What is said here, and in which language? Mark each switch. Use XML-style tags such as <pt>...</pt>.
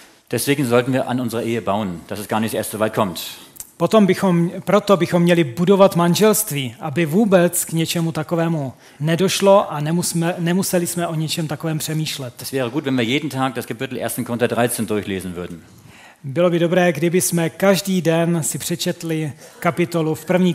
<de>Deswegen sollten wir an unserer Ehe bauen, dass es gar nicht erst so weit kommt.</de> <cs>Proto bychom měli budovat manželství, aby vůbec k něčemu takovému nedošlo a nemuseli jsme o něčem takovém přemýšlet.</cs> <de>Es wäre gut, wenn wir jeden Tag das Kapitel 1. Korinther 13 durchlesen würden.</de> <cs>Bylo by dobré, kdyby jsme každý den si přečetli kapitolu v 1.</cs>